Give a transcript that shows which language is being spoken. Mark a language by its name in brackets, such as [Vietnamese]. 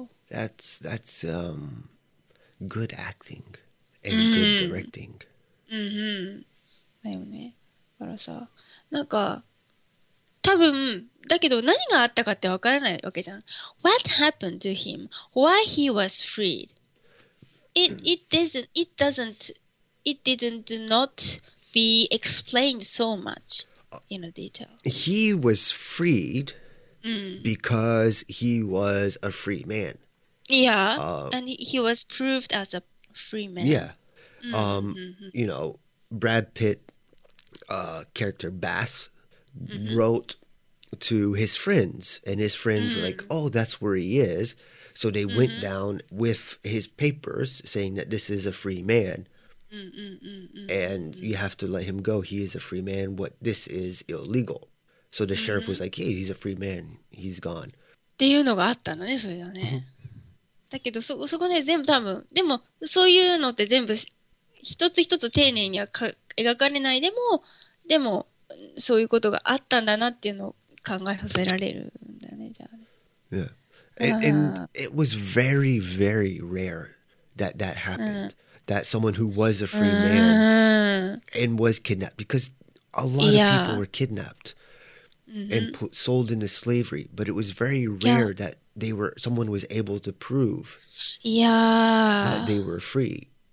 [English] That's good acting and good directing [Japanese] うんうんだよねだからさなんか多分だけど何があったかってわからないわけじゃん。 [English] What happened to him? Why he was freed? It did not be explained so much in detail. He was freed because he was a free man. Yeah, and he was proved as a free man. Yeah. You know, Brad Pitt, character Bass, wrote. To his friends, and his friends were like, oh, that's where he is. So they went down with his papers saying that this is a free man. And you have to let him go. He is a free man. What this is illegal. So the sheriff was like, hey, he's a free man. He's gone. [Japanese] っていうのがあったのね、それだね。だけどそこね、全部多分、でもそういうのって全部一つ一つ丁寧には描かれないでもそういうことがあったんだなっていうのを考えさせられるんだね、じゃあ。 [English] Yeah. And it was very, very rare that happened.、That someone who was a free man and was kidnapped. Because a lot、of people were kidnapped and sold into slavery. But it was very rare、that someone was able to prove、that they were free.